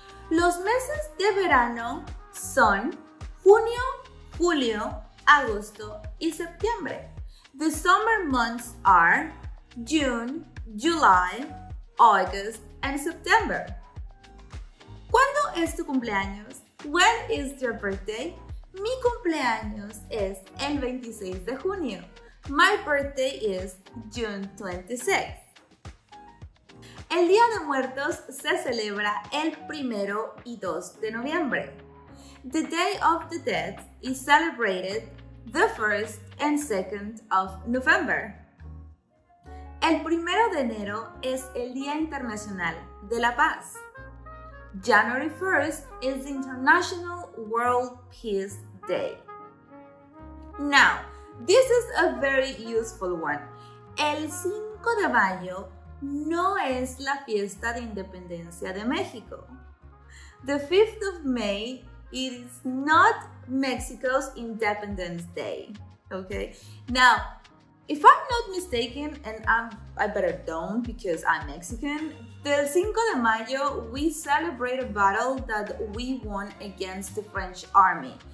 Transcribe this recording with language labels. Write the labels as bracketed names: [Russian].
[Spanish] Los meses de verano son junio, julio, agosto y septiembre. [English] The summer months are June, July, August and September. [Spanish] ¿Cuándo es tu cumpleaños? [English] When is your birthday? [Spanish] Mi cumpleaños es el 26 de junio. [English] My birthday is June 26. [Spanish] El Día de Muertos se celebra el 1 y 2 de noviembre. [English] The Day of the Dead is celebrated the 1st and 2nd of November. [Spanish] El 1 de enero es el Día Internacional de la Paz. [English] January 1st is the International World Peace Day. Now, this is a very useful one. [Spanish] El 5 de mayo no es la fiesta de independencia de México. [English] The 5th of May is not Mexico's Independence Day. Okay? Now, if I'm not mistaken, and I better don't because I'm Mexican, the 5 de mayo we celebrate a battle that we won against the French army.